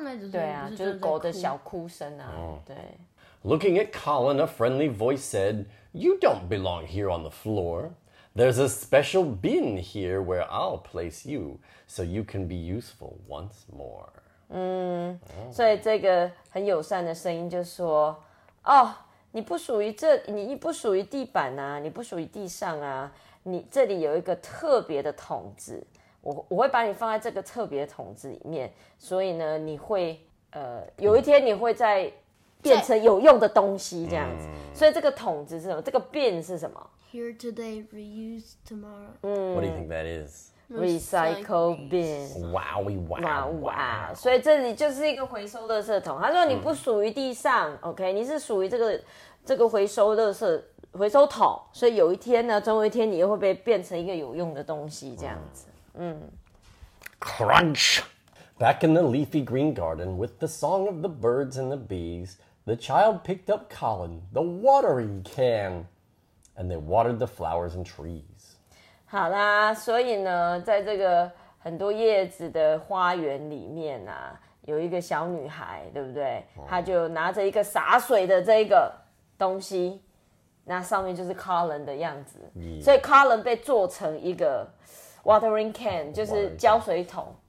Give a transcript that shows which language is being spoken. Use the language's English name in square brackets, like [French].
[Chinese] 对啊，就是狗的小哭声啊。对。 [English] Looking at Colin, a friendly voice said, "You don't belong here on the floor. There's a special bin here where I'll place you, so you can be useful once more." [Chinese] 嗯，所以这个很友善的声音就说，哦。你不属于这，你不属于地板啊，你不属于地上啊，你这里有一个特别的桶子，我会把你放在这个特别的桶子里面，所以呢，你会有一天你会再变成有用的东西这样子。所以这个桶子是什么？这个 bin 是什么 [English] ？Here today, reuse tomorrow. What do you think that is? Recycle bin. Wow, wow, wow. [Chinese] 所以这里就是一个回收垃圾桶。他说你不属于地上、OK, 你是属于这个回收垃圾回收桶。所以有一天呢，总有一天你又会被变成一个有用的东西这样子。 [English] Crunch! Back in the leafy green garden with the song of the birds and the bees, the child picked up Colin, the watering can, and they watered the flowers and trees. [Chinese] 好啦，所以呢，在这个很多叶子的花园里面啊，有一个小女孩，对不对？她就拿着一个洒水的这个东西，那上面就是 Colin 的样子。 Yeah. 所以 Colin 被做成一个 watering can， 就是浇水桶。